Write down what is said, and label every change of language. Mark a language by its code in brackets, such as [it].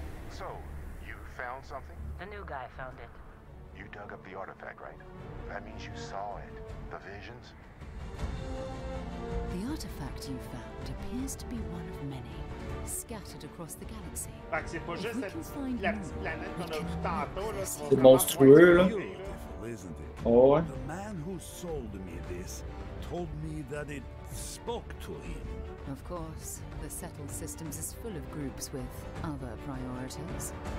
[en] So, you found something? The new guy found it. You dug up the artifact, right? That means you saw it. The visions? The artifact you found appears to be one of many scattered across the galaxy. [fr] Fait que c'est pas juste la petite planète qu'on a vu tantôt là. C'est monstrueux là. [en] isn't it? Oh. The man who sold me this told me that it spoke to him. Of course, the settled systems is full of groups with other priorities.